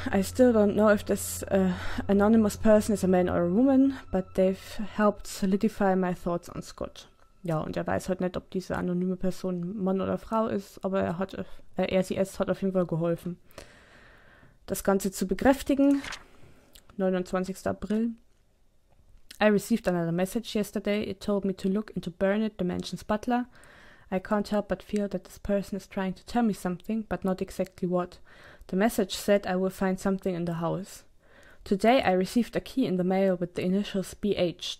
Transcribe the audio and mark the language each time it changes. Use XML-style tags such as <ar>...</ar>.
<en>I still don't know if this anonymous person is a man or a woman, but they've helped solidify my thoughts on Scott.</en> <de>Ja, und er weiß halt nicht, ob diese anonyme Person Mann oder Frau ist, aber er hat auf jeden Fall geholfen, das Ganze zu bekräftigen.</de> <en>29. April. I received another message yesterday. It told me to look into Bernard, the mansion's butler. I can't help but feel that this person is trying to tell me something, but not exactly what. The message said I will find something in the house. Today I received a key in the mail with the initials BH.</en>